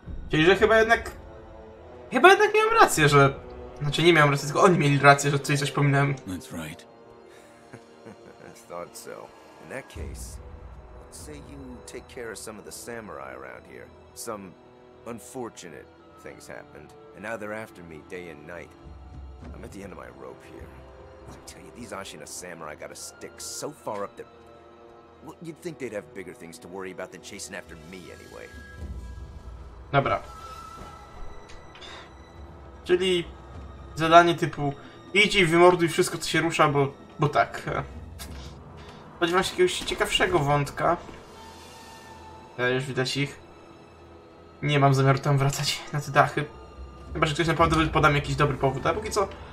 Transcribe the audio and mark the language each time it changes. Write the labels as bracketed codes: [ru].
[pl] Czyli że chyba jednak miałem rację, że... Znaczy nie miałem rację, tylko oni mieli rację, że coś pominąłem. [en] That's right. I thought so. In that case, say you take care of some of the samurai around here. Some unfortunate things happened, and now they're after me day and night. I'm at the end of my rope here. I tell you, these Ashina samurai got a stick so far up that... Well, you'd think they'd have bigger things to worry about than chasing after me anyway. [pl] Dobra. Czyli zadanie typu idź i wymorduj wszystko, co się rusza, bo tak. Spodziewam się jakiegoś ciekawszego wątka. Ja już widać ich. Nie mam zamiaru tam wracać na te dachy. Chyba, że ktoś naprawdę poda mi jakiś dobry powód, a póki co...